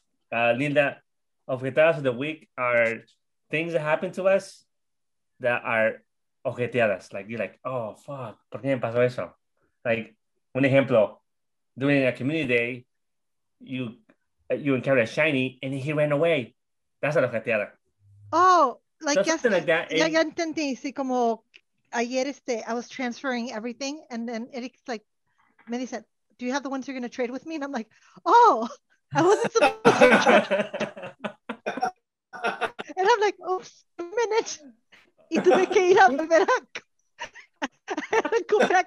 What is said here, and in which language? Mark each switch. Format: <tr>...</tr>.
<en>Linda, afectadas of the week are things that happen to us that are ojeteadas. Like, you're like, oh, fuck,</en> <es>¿por qué me pasó eso?</es> <en>Like,</en> <es>un ejemplo,</es> <en>during a community day, you encounter a shiny and he ran away. That's an ojeteada. Oh, like, so something like that.</en> <es>Ya entendí, sí, como... Ayer</es> <en>I was transferring everything, and then Eric's like, Mandy said, do you have the ones you're going to trade with me? And I'm like, oh, I wasn't supposed to. And I'm like, oops, a minute.</en> <es>Y tuve que ir a beber a comprar</es>